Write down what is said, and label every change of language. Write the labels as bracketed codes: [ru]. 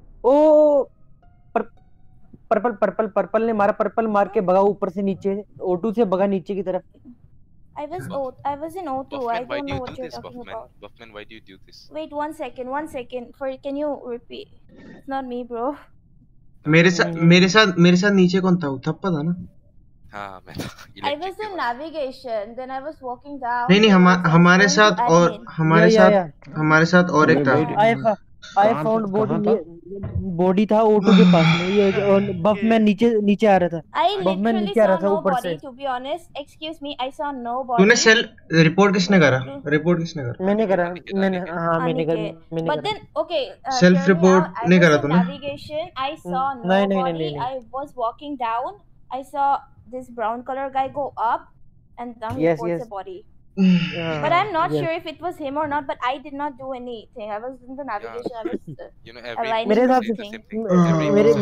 [hi] ओ purple purple purple ने मारा, purple मार के भगा ऊपर से नीचे, O2 से भगा नीचे की तरफ। [en] I was in O2, I don't know what you're talking about. Buffman, why do you do this? Wait one second, for can you repeat? It's not me bro. [hi] मेरे साथ नीचे कौन था? उथप्पा था ना? हाँ मैं [en] था। I was in navigation, then I was walking down. [hi] नहीं नहीं हमारे साथ और हमारे साथ और एक था। [en] I found body [hi] था O2 के पास में, ये बफ में नीचे आ रहा था, बफ में नीचे आ रहा था ऊपर से। [en] To be honest, excuse me, I saw no body. [hi] तूने सेल रिपोर्ट किसने करा? रिपोर्ट किसने करा? मैंने करा, मैंने हाँ मैंने करा, मैंने करा। [en] But then okay, [hi] self report ने करा तूने? [en] Navigation, I saw no body. I was walking down, I saw this brown color guy go up and then report the body. Yeah. But I'm not sure if it was him or not, but I did not do anything. I was in the navigation, yeah. I was